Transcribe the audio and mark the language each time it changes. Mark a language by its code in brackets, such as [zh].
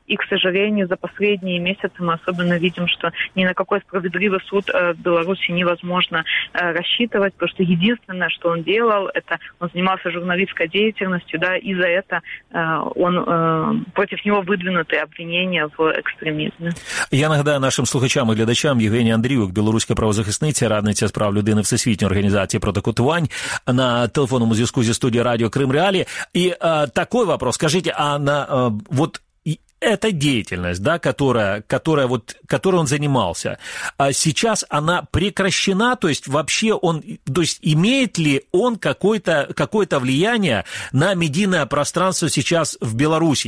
[ru] И, к сожалению, за последние месяцы мы особенно видим, что ни на какой справедливый суд в Беларуси невозможно рассчитывать, потому что единственное, что он делал, это он занимался журналистской деятельностью, да, и за это он против него выдвинуты обвинения в экстремизме. [uk] Я нагадаю нашим слухачам и глядачам, Евгений Андрюк, белоруська правозахисниця, радниця з прав людини Всесвітньої організації проти катувань, [ru] на телефонном звонку из студии радио Крым Реали. И такой вопрос, скажите, а на вот эта деятельность, да, которой он занимался, сейчас она прекращена, то есть вообще он, то есть имеет ли он какое-то влияние на медийное пространство сейчас в Беларуси?